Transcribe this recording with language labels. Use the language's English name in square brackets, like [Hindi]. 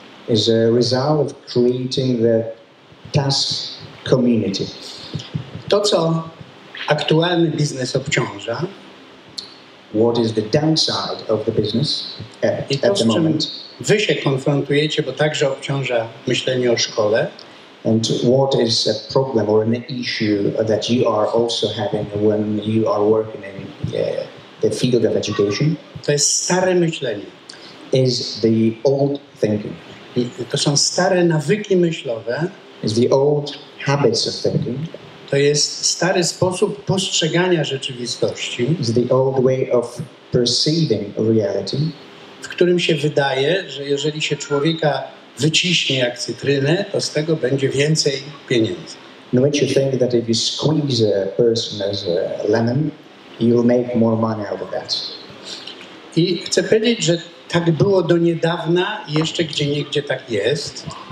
[English] Is a result of creating the task community. [Polish] To, co aktualny biznes obciąża, [English] what is the downside of the business at the moment? [Polish] Wy się konfrontujecie, bo także obciąża myślenie o szkole. [English] And what is a problem or an issue that you are also having when you are working in the field of education? [Polish] To jest stare myślenie. [English] Is the old thinking. [Polish] To są stare nawyki myślowe. [English] Is the old habits of thinking. [Polish] To jest stary sposób postrzegania rzeczywistości. [English] Is the old way of perceiving reality. [Polish] W którym się wydaje, że jeżeli się człowieka wyciśnie jak cytrynę, to z tego będzie więcej pieniędzy. [English] In which you think that if you squeeze a person as a lemon, you'll make more money out of that. [Polish] I chcę powiedzieć, że tak było do niedawna i jeszcze gdzie niegdzie tak jest.